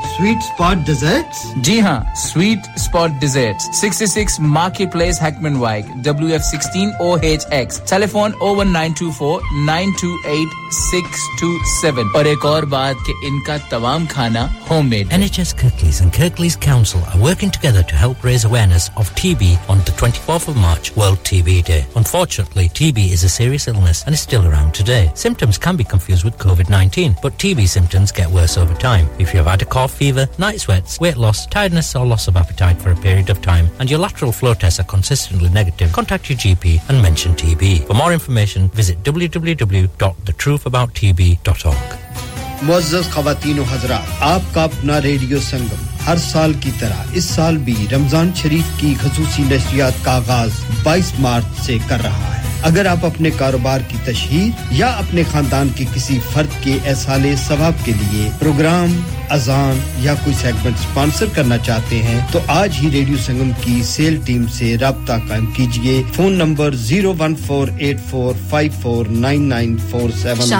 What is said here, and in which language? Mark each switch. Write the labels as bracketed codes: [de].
[ur] Sweet spot desserts جی ہاں sweet spot desserts 66 Market Place Heckman Wyke WF16OHX Telephone 01924-928-627 اور ایک اور بات کہ ان کا تمام کھانا home made [en] NHS Kirklees and Kirklees Council are working together to help raise awareness of TB on the 24th of March World TB Day Unfortunately, TB is a serious illness and is still around today Symptoms can be confused with COVID-19 but TB symptoms get worse over time If you have had a cough, fever, night sweats, weight loss, tiredness or loss of appetite for a period of time and your lateral flow tests are consistently negative, contact your GP and mention TB. For more information, visit www.thetruthabouttb.org. [ur] معزز خواتین و حضرات آپ کا اپنا radio سنگم ہر سال کی طرح اس سال بھی رمضان شریف کی خصوصی نشریات کا آغاز 22 مارچ سے کر رہا ہے اگر آپ اپنے کاروبار کی تشہیر یا اپنے خاندان کے کسی فرد کے احصال ثواب کے لیے پروگرام اذان یا کوئی سیگمنٹ سپانسر کرنا چاہتے ہیں تو آج ہی ریڈیو سنگم کی سیل ٹیم سے رابطہ قائم کیجئے فون نمبر 01484549947